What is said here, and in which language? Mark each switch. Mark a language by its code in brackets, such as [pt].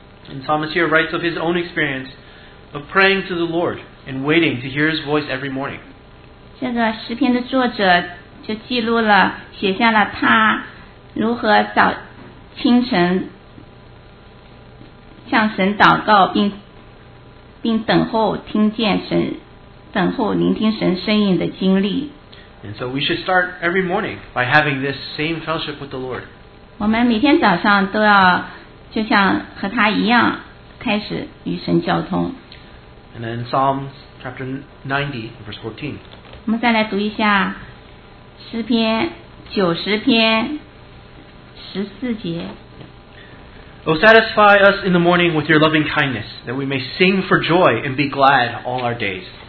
[en] And Thomas here writes of his own experience of praying to the Lord and waiting to hear His voice every morning. [zh] 这个诗篇的作者就记录了写下了他如何早清晨向神祷告并等候听见神 [en] And so we should start every morning by having this same fellowship with the Lord. [zh] 我们每天早上都要就像和他一样开始与神交通。 [en] And then Psalms chapter 90, verse 14. [zh] 我们再来读一下诗篇90篇14节。 [en] O satisfy us in the morning with Your loving kindness, that we may sing for joy and be glad all our days.